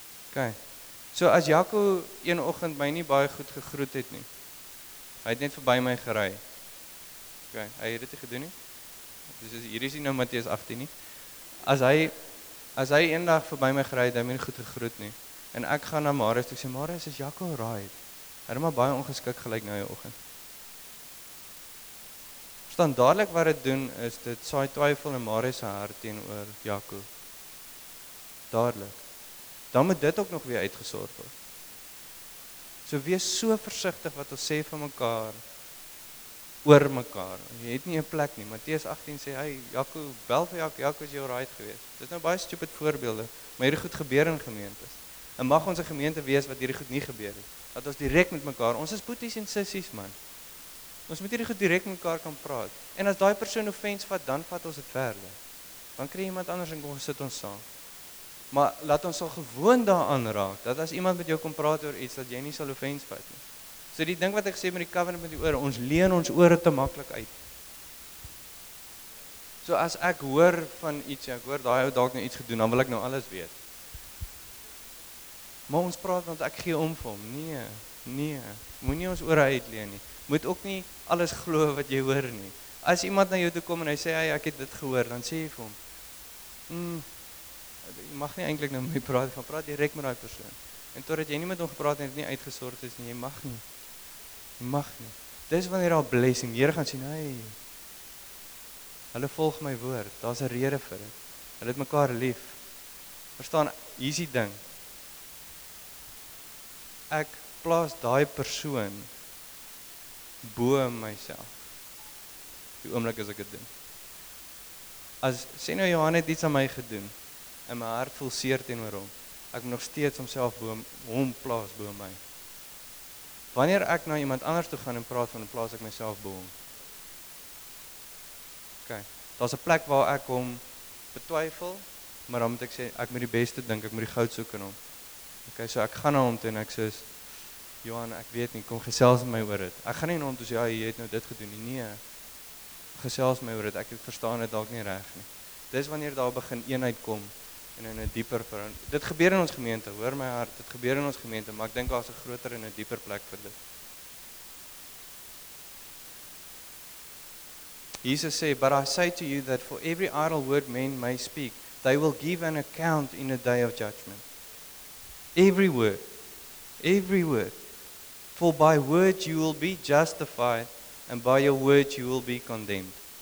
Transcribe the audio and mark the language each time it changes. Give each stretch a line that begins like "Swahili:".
Afrikaans: Okay, so as Jaco een oggend my nie baie goed gegroet het nie, hy het net verby my gery. Okay, hy het dit nie gedoen nie, dis hier is nie nou Matteus 18 nie, as hy eendag verby my gery het, hy moet goed gegroet nie, en ek gaan na Marius, ek sê, Marius, is Jaco right? Hy het maar baie ongeskik gelyk na jou oggend. Verstaan, dadelijk wat het doen, is dit saai twyfel in Marius se hart teenoor Jaco. Dadelijk. Dan moet dit ook nog weer uitgesort word. So wees so versigtig wat ons sê van mekaar, oor mekaar, jy het nie 'n plek nie, Matteus 18 sê, hey, Jaco, bel vir Jaco, Jaco is jou right gewees, dit is nou baie stupid voorbeelde, maar hierdie goed gebeur in gemeentes, en mag ons 'n gemeente wees, wat hierdie goed nie gebeur het, dat ons direct met mekaar, ons is boeties en sissies man, ons moet hierdie goed direct met mekaar kan praat, en as die persoon offense vat, dan vat ons het verder, dan kry iemand anders en kom sit ons saam, maar laat ons al gewoon daaraan raak, dat as iemand met jou kom praat oor iets, dat jy nie sal offense vat nie. So die ding wat ek sê met die covenant met die oore, ons leen ons oore te maklik uit. So as ek hoor van iets, ek hoor daai ou dalk nou iets gedoen, dan wil ek nou alles weet. Maar ons praat, want ek gee om vir hom. Nee. Moet nie ons oore uitleen nie. Moet ook nie alles glo wat jy hoor nie. As iemand na jou toe kom en hy sê, hey, ek het dit gehoor, dan sê jy vir hom, jy mag nie eintlik nou met my praat, gaan praat direct met daai persoon. En totdat jy nie met hom gepraat en het nie uitgesort is nie, jy mag nie. Mag nie. Dis wanneer daar blessing, die Here gaan sê, hey, hulle volg my woord, daar's 'n rede vir dit. Hulle het mekaar lief. Verstaan, hier's die ding. Ek plaas daai persoon bo myself. Die oomblik as ek dit doen. As sê nou Johan het iets aan my gedoen, en my hart voel seer teenoor hom. Ek moet nog steeds homself bo hom plaas bo my. Wanneer ek na iemand anders toe gaan en praat van hom, plaas ek myself bo hom. OK. Daar's 'n plek waar ek hom betwyfel, maar dan moet ek sê ek moet die beste dink, ek moet die goud soek in hom. OK, so ek gaan na hom toe en ek sê Johan, ek weet nie, kom gesels met my oor dit. Ek gaan nie na hom toe sê ja, jy het nou dit gedoen nie. Nee. Gesels met my oor dit. Ek verstaan dit dalk nie reg nie. Dis wanneer daar begin eenheid kom en in 'n dieper verhouding. Dit gebeur in ons gemeente, hoor my hart, dit gebeur in ons gemeente, maar ek dink daar's 'n groter en 'n dieper plek vir dit. Jesus sê,
English: "But I say to you that for every idle word men may speak, they will give an account in the day of judgment." Every word. Every word. For by words you will be justified and by your words you will be condemned.